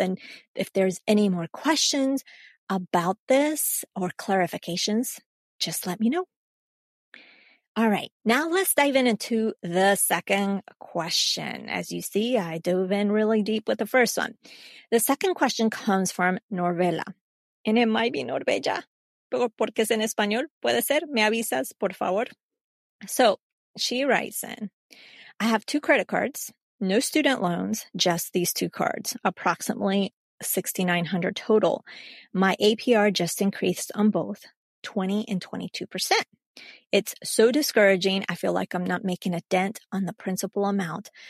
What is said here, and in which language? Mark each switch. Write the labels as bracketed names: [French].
[English] And if there's any more questions about this or clarifications, just let me know. All right, now let's dive into the second question. As you see, I dove in really deep with the first one. The second question comes from Norvela. And it might be Norvella, [Spanish] pero porque es en español, puede ser. Me avisas, por favor. [English] So she writes in, I have two credit cards, no student loans, just these two cards, approximately $6,900 total. My APR just increased on both, 20 and 22%. It's so discouraging. I feel like I'm not making a dent on the principal amount.